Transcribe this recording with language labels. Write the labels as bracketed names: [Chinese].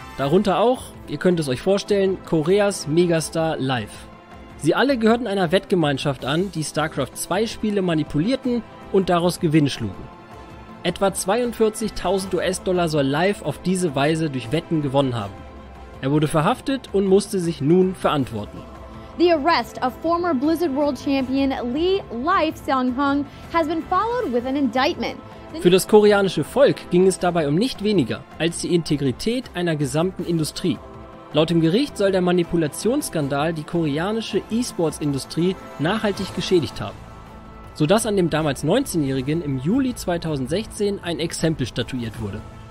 [German] Darunter auch, ihr könnt es euch vorstellen, Koreas Megastar Life. Sie alle gehörten einer Wettgemeinschaft an, die StarCraft 2 Spiele manipulierten und daraus Gewinn schlugen. Etwa 42.000 US-Dollar soll Life auf diese Weise durch Wetten gewonnen haben. Er wurde verhaftet und musste sich nun verantworten. [English] The arrest of former Blizzard World Champion Lee Life Seung Han has been followed with an indictment. [German] Für das koreanische Volk ging es dabei um nicht weniger als die Integrität einer gesamten Industrie. Laut dem Gericht soll der Manipulationsskandal die koreanische E-Sports-Industrie nachhaltig geschädigt haben, sodass an dem damals 19-Jährigen im Juli 2016 ein Exempel statuiert wurde.